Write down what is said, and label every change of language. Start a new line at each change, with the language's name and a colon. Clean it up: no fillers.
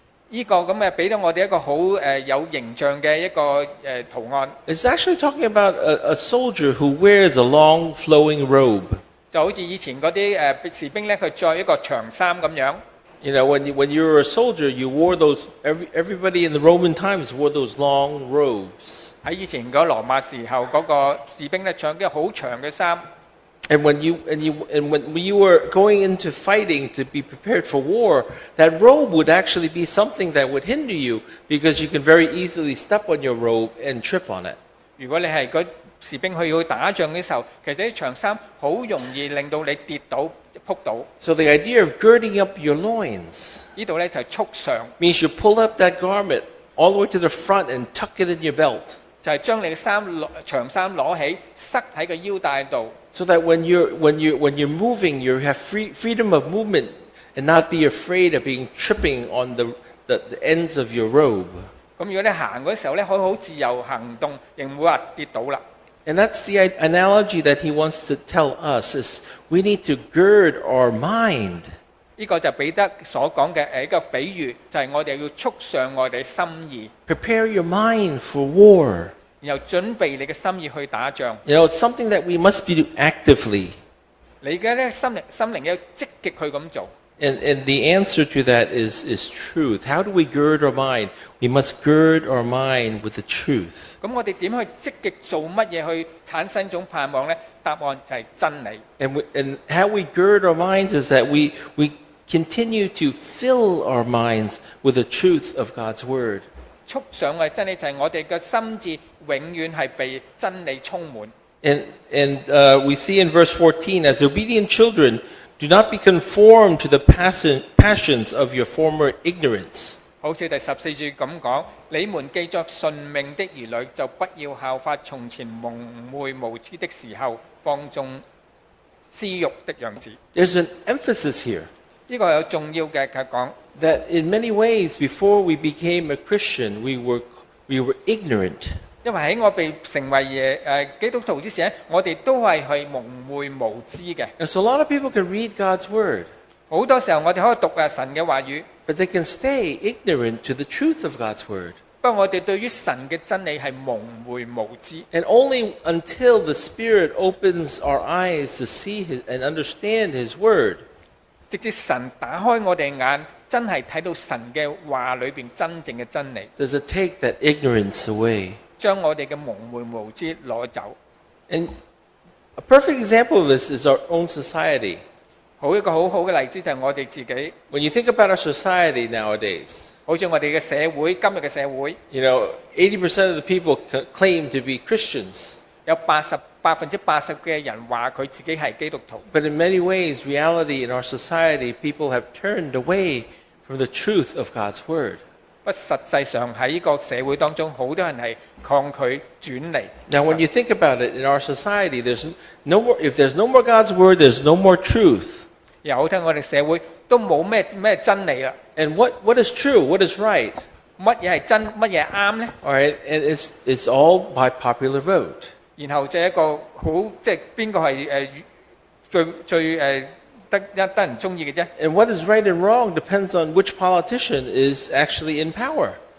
Cantonese: 这个咁俾到我哋一个好有形象嘅一个图案。
English: It's actually talking about a soldier who wears a long flowing robe.
Cantonese: 就好似以前嗰啲士兵呢佢穿一个长衫咁样。
English: You know, when you were a soldier, you wore those. Everybody in the Roman times wore those long robes.
Cantonese: 喺以前個羅馬時候，嗰個士兵咧，穿嘅好長嘅衫。
English: And when you and you and when you were going into fighting to be prepared for war, that robe would actually be something that would hinder you because you can very easily step on your robe and trip on it.
Cantonese: 如果你係個士兵去打仗嘅時候，其實啲長衫好容易令到你跌倒。
English: So the idea of girding up your loins means you pull up that garment all the way to the front and tuck it in your belt.
Cantonese: 就係將你嘅衫長衫攞起，塞喺個腰帶度。
English: So that when you're moving, you have freedom of movement and not be afraid of being tripping on the ends of your robe.
Cantonese: 咁如果你行嗰時候咧，可以好自由行動，亦唔會話跌倒啦。
English: And that's the analogy that he wants to tell us is we need to gird our mind.
Cantonese: 呢個就彼得所講嘅一個比喻，就係我哋要束上我哋心意。
English: Prepare your mind for war.
Cantonese: 然後準備你嘅心意去打仗。
English: You know, it's something that we must be doing actively.
Cantonese: 你嘅咧心靈要積極去咁做。
English: And the answer to that is truth. How do we gird our mind? We must gird our mind with the truth.
Cantonese: 咁我哋點去積極做乜嘢去產生種盼望咧？答案就係真理。
English: And how we gird our minds is that we continue to fill our minds with the truth of God's word.
Cantonese: 束上嘅真理就係我哋嘅心智永遠係被真理充滿。
English: And we see in verse 14, as obedient children. Do not be conformed to the passions of your former ignorance.
Cantonese: 好似第十四節咁講，你們既作順命的兒女，就不要效法從前蒙昧無知的時候放縱私欲的樣子。
English: There's an emphasis here.
Cantonese: 呢個有重要嘅佢講。
English: That in many ways, before we became a Christian, we were ignorant.
Cantonese: 因為喺我被成為基督徒之前，我哋都係去蒙昧無知嘅。
English: And so a lot of people can read God's word.
Cantonese: 好多時候我哋可以讀神嘅話語。
English: But they can stay ignorant to the truth of God's word.
Cantonese: 不過我哋對於神嘅真理係蒙昧無知。
English: And only until the Spirit opens our eyes to see and understand His word.
Cantonese: 直至神打開我哋眼，真係睇到神嘅話裏邊真正嘅真理。
English: Does it take that ignorance away?
Cantonese: 將我哋嘅蒙昧無知攞走。
English: And a perfect example of this is our own society.
Cantonese: 好一個好好嘅例子就係我哋自己。
English: When you think about our society nowadays,
Cantonese: 好似我哋嘅社會，今日嘅社會。
English: You know, 80% of the people claim to be Christians.
Cantonese: 有百分之八十嘅人話佢自己係基督徒。
English: But in many ways, reality in our society, people have turned away from the truth of God's word.
Cantonese: 不實際上喺個社會當中，好多人係抗拒轉離。
English: Now, when you think about it, in our society, there's no more. If there's no more God's word, there's no more truth.
Cantonese: 又好聽我哋社會都冇咩真理啦。
English: And what is true? What is right?
Cantonese: 乜嘢係真？乜嘢啱咧
English: ？All right, and it's all by popular vote.
Cantonese: 然後就一個好即係邊個係最得人中意嘅啫。
English: And what is right and wrong depends on which politician is actually in power.